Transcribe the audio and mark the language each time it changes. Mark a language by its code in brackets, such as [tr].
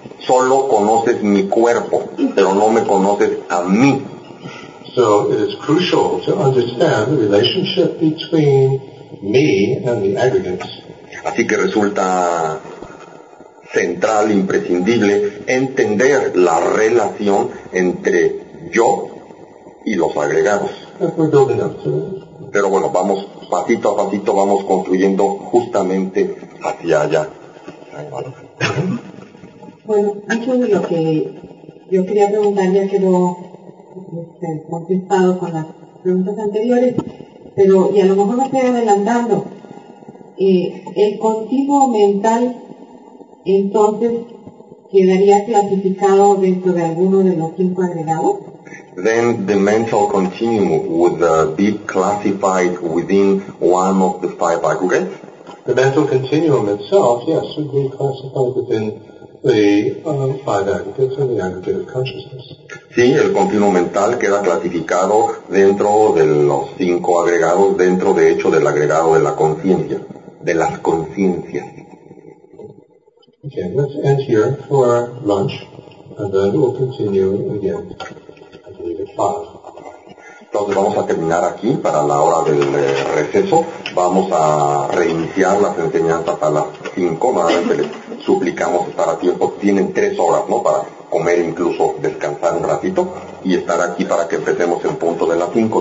[es] Solo conoces mi cuerpo, pero no me conoces a mí. [en] So it is crucial to understand the relationship between me and the aggregates. [es] Así que resulta central, imprescindible, entender la relación entre yo y los agregados. Pero bueno, vamos pasito a pasito, vamos construyendo justamente hacia allá. Bueno, mucho de lo que yo quería preguntar ya quedó contestado con las preguntas anteriores, pero, y a lo mejor me estoy adelantando, el contigo mental entonces quedaría clasificado dentro de alguno de los cinco agregados? [en] Then the mental continuum would be classified within one of the five aggregates? The mental continuum itself, yes, would be classified within the five aggregates and the aggregate of consciousness. [es] Sí, el continuo mental queda clasificado dentro de los cinco agregados, dentro de hecho del agregado de la conciencia, de las conciencias. [en] Okay, let's end here for lunch, and then we'll continue again, I believe, at 5. [es] Entonces vamos a terminar aquí para la hora del receso. Vamos a reiniciar las enseñanzas a las 5. Nuevamente les suplicamos estar a tiempo. Tienen 3 horas, ¿no? Para comer, incluso descansar un ratito y estar aquí para que empecemos en punto de las 5.